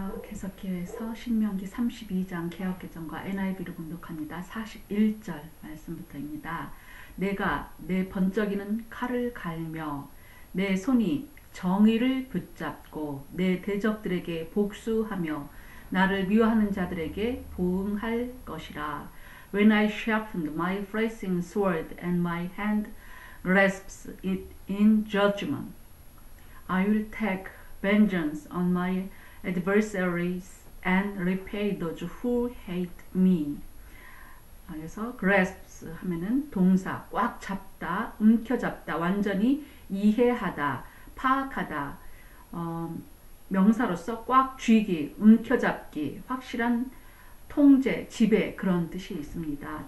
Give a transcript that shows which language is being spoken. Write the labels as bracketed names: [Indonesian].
[Korean] 에스겔서 신명기 32장 개역개정과 NIV로 봉독합니다. 41절 말씀부터입니다. 내가 내 번쩍이는 칼을 갈며 내 손이 정의를 붙잡고 내 대적들에게 복수하며 나를 미워하는 자들에게 보응할 것이라. [English] When I sharpened my flashing sword and my hand grasps it in judgment, I will take vengeance on my adversaries and repay those who hate me. [Korean] 그래서 grasps 하면은 동사, 꽉 잡다, 움켜잡다, 완전히 이해하다, 파악하다, 명사로서 꽉 쥐기, 움켜잡기, 확실한 통제, 지배 그런 뜻이 있습니다.